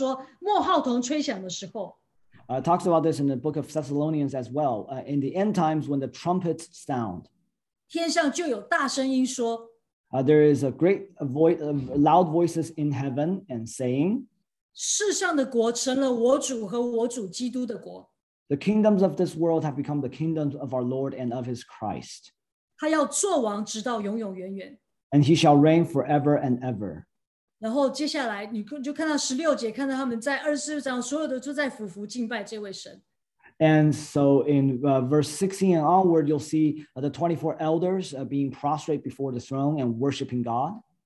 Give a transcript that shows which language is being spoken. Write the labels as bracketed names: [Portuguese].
[Chinese] 就是在帖撒罗尼迦讲到说末号筒吹响的时候， [English] talks about this in the book of Thessalonians as well. In the end times when the trumpets sound, [Chinese] 天上就有大声音说。 [English] There is a great voice of loud voices in heaven and saying, [Chinese] 世上的国成了我主和我主基督的国。 [English] The kingdoms of this world have become the kingdoms of our Lord and of his Christ. [Chinese] 他要作王直到永永远远。 [English] And he shall reign forever and ever. [Chinese] 然后接下来你就看到16节，看到他们在24章所有的都在俯伏敬拜这位神。 [English] And so in verse 16 and onward, you'll see the 24 elders being prostrate before the throne and worshiping God.